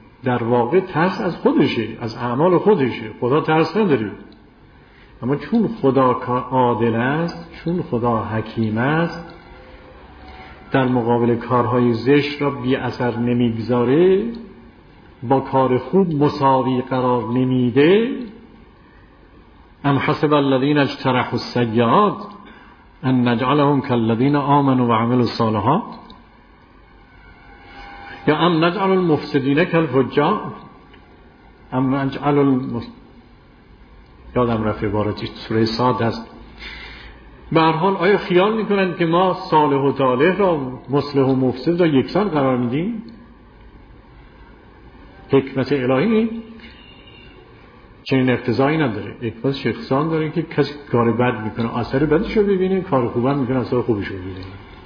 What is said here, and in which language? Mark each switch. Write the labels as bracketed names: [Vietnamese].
[Persian] در واقع ترس از خودشه، از اعمال خودشه، خدا ترس نداره. اما چون خدا عادل است، چون خدا حکیم است، در مقابل کارهای زشت را بی اثر نمیگذاره، با کار خوب مساوی قرار نمیده. [Arabic] ام حسب الذين اجترحوا السيئات ان نجعلهم كالذين امنوا وعملوا الصالحات يا ام نجعل المفسدين كالفجار ام نجعل [Persian] یادم رفت عبارتی سوره صاد است. به هر حال آیا خیال میکنند که ما صالح و طالح را، مصلح و مفسد را یکسان قرار میدیم؟ حکمت الهی چنین اقتضایی نداره. اقتضا شخصان داره که کسی کار بد میکنه اثر بدش رو ببینه، کار خوب هم میکنه اثر خوبش رو ببینه.